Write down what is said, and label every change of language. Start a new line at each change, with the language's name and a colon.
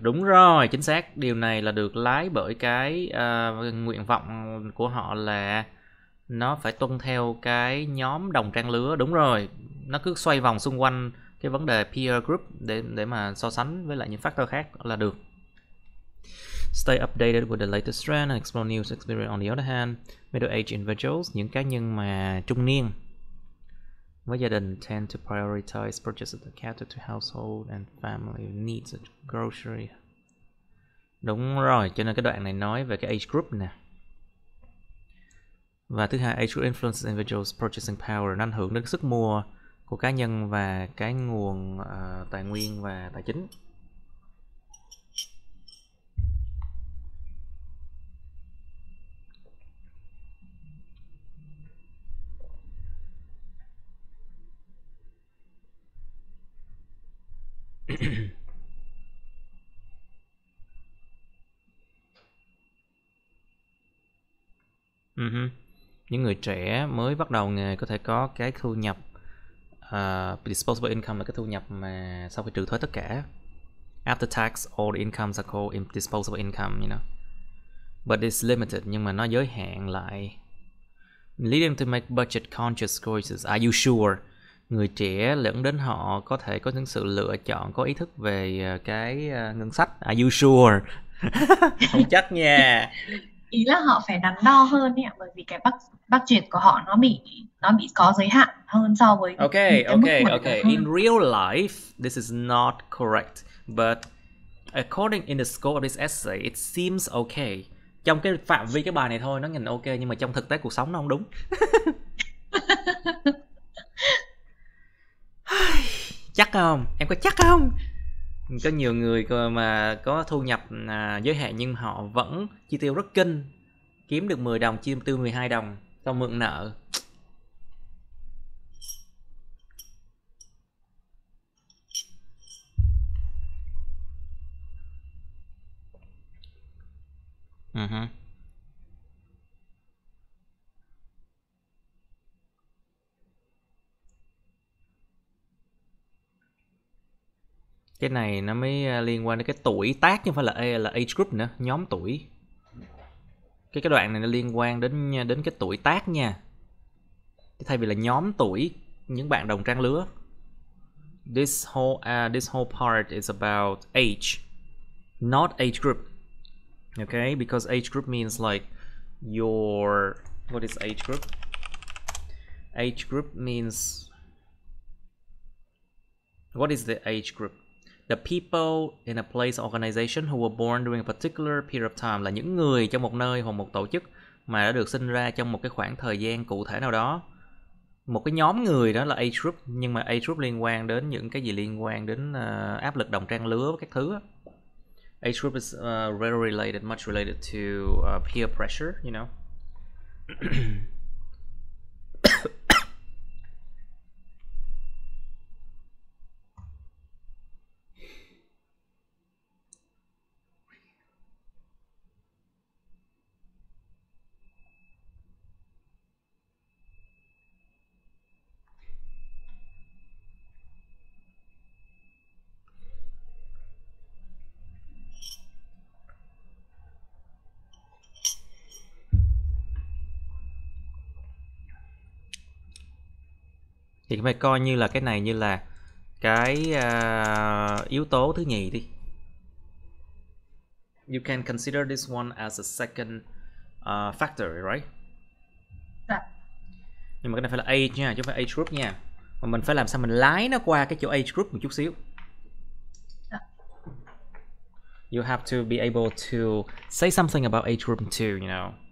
Vietnamese: Đúng rồi, chính xác. Điều này là được lái bởi cái nguyện vọng của họ là nó phải tuân theo cái nhóm đồng trang lứa. Đúng rồi, nó cứ xoay vòng xung quanh cái vấn đề peer group để mà so sánh với lại những factor khác là được.
English: Stay updated with the latest trend and explore new experience on the other hand. Middle age individuals,
Vietnamese: những cá nhân mà trung niên với gia đình
English: tend to prioritize purchases that cater to household and family needs of grocery.
Vietnamese: Đúng rồi, cho nên cái đoạn này nói về cái age group nè. Và thứ hai,
English: age group influence individuals purchasing power,
Vietnamese: ảnh hưởng đến sức mua của cá nhân và cái nguồn tài nguyên và tài chính. Những người trẻ mới bắt đầu nghề có thể có cái thu nhập disposable income, là cái thu nhập mà sau khi trừ thuế tất cả.
English: After tax, all the incomes are called disposable income, you know. But it's limited,
Vietnamese: nhưng mà nó giới hạn lại.
English: Leading to make budget conscious choices. Are you sure?
Vietnamese: Người trẻ lẫn đến họ có thể có những sự lựa chọn, có ý thức về cái ngân sách.
English: Are you sure?
Vietnamese: Không chắc nha. Ý là họ phải đắn đo hơn ấy, bởi vì cái budget của họ nó bị có giới hạn hơn so với
English: okay. In real life this is not correct, but according in the scope of this essay it seems okay.
Vietnamese: Trong cái phạm vi cái bài này thôi nó nhìn ok, nhưng mà trong thực tế cuộc sống nó không đúng. Chắc không? Em có chắc không? Có nhiều người mà có thu nhập giới hạn nhưng họ vẫn chi tiêu rất kinh. Kiếm được 10 đồng, chi tiêu 12 đồng, xong mượn nợ. Cái này nó mới liên quan đến cái tuổi tác, nhưng phải là age group nữa, nhóm tuổi. Cái đoạn này nó liên quan đến cái tuổi tác nha. Thay vì là nhóm tuổi, những bạn đồng trang lứa.
English: This whole part is about age, not age group. Okay, because age group means like your, what is age group? Age group means, what is the age group? The people in a place organization who were born during a particular period of time,
Vietnamese: là những người trong một nơi hoặc một tổ chức mà đã được sinh ra trong một cái khoảng thời gian cụ thể nào đó. Một cái nhóm người đó là age group, nhưng mà age group liên quan đến những cái gì liên quan đến áp lực đồng trang lứa các thứ.
English: Age group is rarely related, much related to peer pressure, you know.
Vietnamese: Thì phải coi như là cái này như là cái yếu tố thứ nhì đi.
English: You can consider this one as a second factor, right?
Vietnamese: Dạ. Nhưng mà cái này phải là age nha, chứ không phải age group nha. Mà mình phải làm sao mình lái nó qua cái chỗ age group một chút xíu. Dạ.
English: You have to be able to say something about age group too, you know.